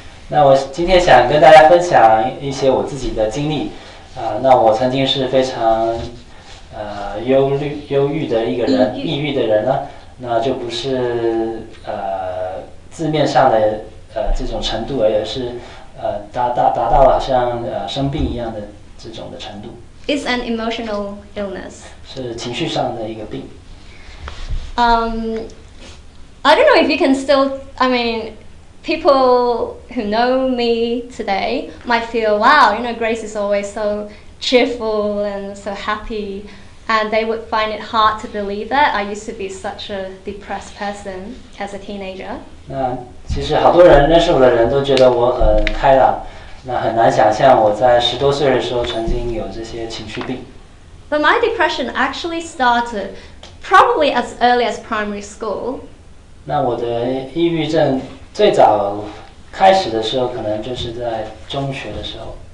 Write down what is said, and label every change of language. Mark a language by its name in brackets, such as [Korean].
[Chinese] 那我今天想跟大家分享一些我自己的经历，那我曾经是非常忧郁的一个人，抑郁的人呢，那就不是字面上的这种程度，而是达到了像生病一样的这种的程度。 [English] It's an emotional illness. [Chinese] 是情绪上的一个病。 [English] I don't know if you can still, I mean. People who know me today might feel, wow, you know, Grace is always so cheerful and so happy, and they would find it hard to believe that I used to be such a depressed person as a teenager. [Chinese] 那其实好多人认识我的人都觉得我很开朗，那很难想象我在十多岁的时候曾经有这些情绪病。 [English] But my depression actually started probably as early as primary school. [Chinese] 那我的抑郁症最早开始的时候可能就是在中学的时候